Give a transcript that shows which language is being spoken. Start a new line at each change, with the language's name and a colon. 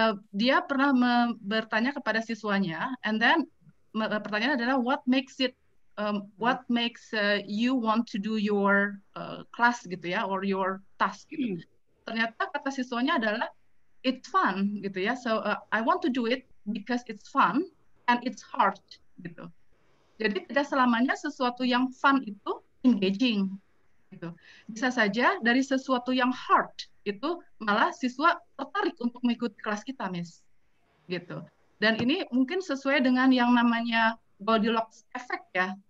Indonesian: Dia pernah bertanya kepada siswanya,
English: and then
Indonesian: pertanyaannya adalah
English: what makes you want to do your class
Indonesian: gitu ya,
English: or your task
Indonesian: gitu. Ternyata kata siswanya adalah
English: it's fun
Indonesian: gitu ya.
English: So I want to do it because it's fun and it's hard
Indonesian: gitu. Jadi tidak selamanya sesuatu yang fun itu engaging gitu. Bisa saja dari sesuatu yang hard itu malah siswa tertarik untuk mengikuti kelas kita, Miss. Gitu. Dan ini mungkin sesuai dengan yang namanya Goldilocks effect ya.